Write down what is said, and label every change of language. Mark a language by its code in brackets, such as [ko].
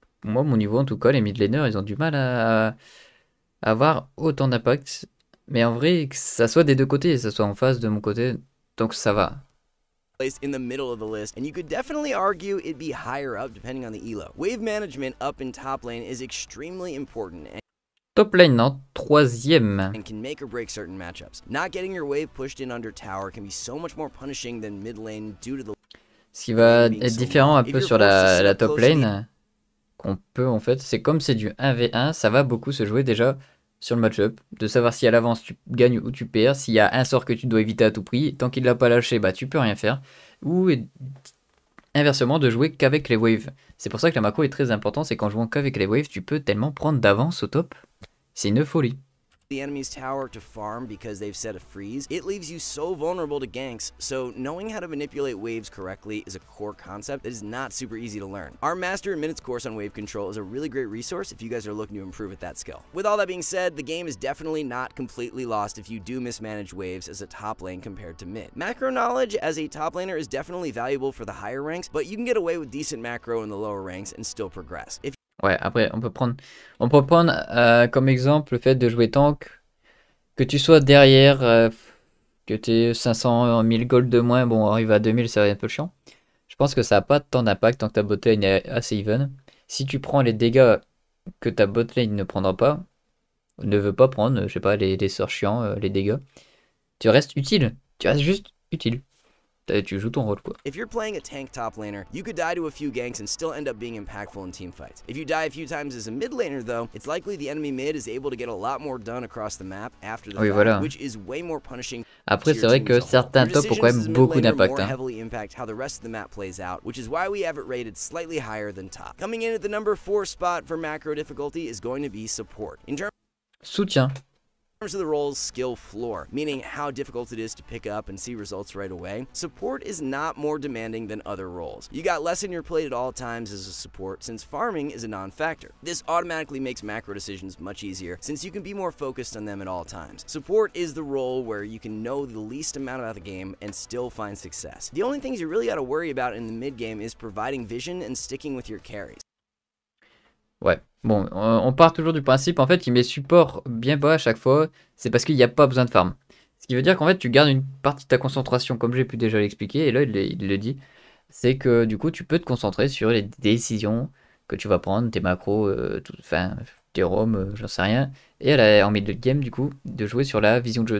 [fr] Moi, mon niveau, en tout cas, les midlaners, ils ont du mal à avoir autant d'impact. Mais en vrai, que ça soit des deux côtés, que ça soit en face de mon côté, donc ça va. [en] Placed in the middle of the list, and you could definitely argue it'd be higher up depending on the elo. Wave management up in top lane is extremely important. And [fr] Top lane, non, troisième. [en] And can make or break certain matchups. Not getting your wave pushed in under tower can be so much more punishing than mid lane due to the. [fr] Ce qui va être différent un peu sur la top lane. On peut en fait, c'est comme c'est du 1v1, ça va beaucoup se jouer déjà sur le match-up, de savoir si à l'avance tu gagnes ou tu perds, s'il y a un sort que tu dois éviter à tout prix, tant qu'il ne l'a pas lâché, bah tu peux rien faire. Ou inversement, de jouer qu'avec les waves. C'est pour ça que la macro est très importante, c'est qu'en jouant qu'avec les waves, tu peux tellement prendre d'avance au top. C'est une folie. [en] The enemy's tower to farm because they've set a freeze, it leaves you so vulnerable to ganks, so knowing how to manipulate waves correctly is a core concept that is not super easy to learn. Our master in minutes course on wave control is a really great resource if you guys are looking to improve at that skill. With all that being said, the game is definitely not completely lost if you do mismanage waves as a top lane compared to mid. Macro knowledge as a top laner is definitely valuable for the higher ranks, but you can get away with decent macro in the lower ranks and still progress. If [fr] Ouais, après, on peut prendre comme exemple le fait de jouer tank, que tu sois derrière, que tu aies 500, 1000 gold de moins, bon, arrive à 2000, c'est un peu chiant. Je pense que ça n'a pas tant d'impact tant que ta botlane est assez even. Si tu prends les dégâts que ta botlane ne prendra pas, ne veut pas prendre, je sais pas, les sorts chiants, les dégâts, tu restes utile, tu restes juste utile. Tu joues ton rôle, quoi. [en] If you're playing a tank top laner, you could die to a few ganks and still end up being impactful in team fights. If you die a few times as a mid laner, though, it's likely the enemy mid is able to get a lot more done across the map after the [fr] Oui, [en] fight, [fr] voilà. [en] which is way more punishing. [fr] Après, c'est vrai que certains tops ont quand même beaucoup d'impact, hein. [en] Heavily impact how the rest of the map plays out, which is why we have it rated slightly higher than top. Coming in at the number 4 spot for macro difficulty is going to be support. In terms [fr] Soutien. [en] Of the role's skill floor, meaning how difficult it is to pick up and see results right away, support is not more demanding than other roles. You got less in your plate at all times as a support since farming is a non-factor. This automatically makes macro decisions much easier since you can be more focused on them at all times. Support is the role where you can know the least amount about the game and still find success. The only things you really got to worry about in the mid game is providing vision and sticking with your carries. [fr] Ouais, bon, on part toujours du principe, en fait, il met support bien bas à chaque fois, c'est parce qu'il n'y a pas besoin de farm. Ce qui veut dire qu'en fait, tu gardes une partie de ta concentration, comme j'ai pu déjà l'expliquer, et là, il le dit, c'est que du coup, tu peux te concentrer sur les décisions que tu vas prendre, tes macros, enfin, tes roms, j'en sais rien, et en milieu de game, du coup, de jouer sur la vision de jeu.